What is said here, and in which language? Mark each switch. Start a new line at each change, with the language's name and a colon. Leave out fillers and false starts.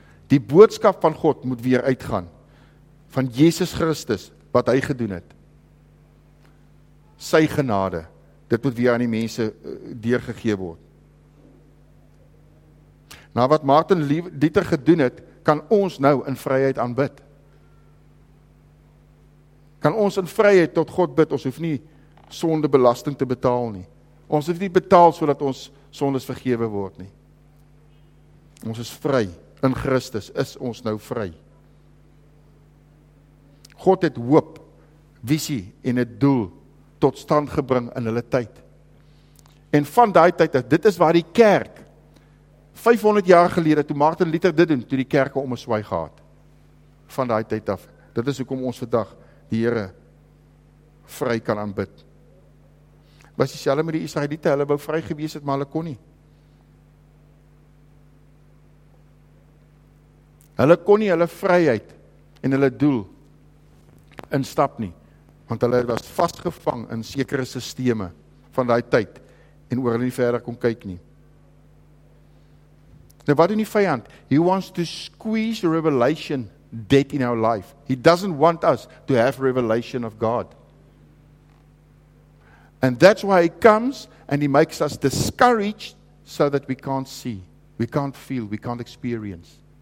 Afrikaans: Die boodskap van God moet weer uitgaan. Van Jesus Christus, wat hy gedoen het. Sy genade, dit moet weer aan die mense deurgegee word. Na wat Martin Luther gedoen het, kan ons nou in vryheid aanbid. Kan ons in vryheid tot God bid, ons hoef nie sonde belasting te betaal nie. Ons hoef nie betaal sodat ons sondes vergewe word nie. Ons is vry, in Christus is ons nou vry. God het hoop, visie en het doel tot stand gebring in hulle tyd. En van die tyd, dit is waar die kerk, 500 jaar gelede, toe Martin Luther dit doen, toe die kerk om 'n swaai gehad. Van die tyd af, dit is hoekom ons vandag die Here vry kan aanbid. Was dieselfde met die Israeliete, hulle wou vry gewees het, maar hulle kon nie. Hulle kon nie hulle vryheid en hulle doel instap nie, want hulle was vastgevang in sekere systeme van die tyd, en oor hulle nie verder kon kyk nie. Nou wat doen die vyand?
English: He wants to squeeze revelation dead in our life. He doesn't want us to have revelation of God. And that's why he comes and he makes us discouraged so that we can't see, we can't feel, we can't experience.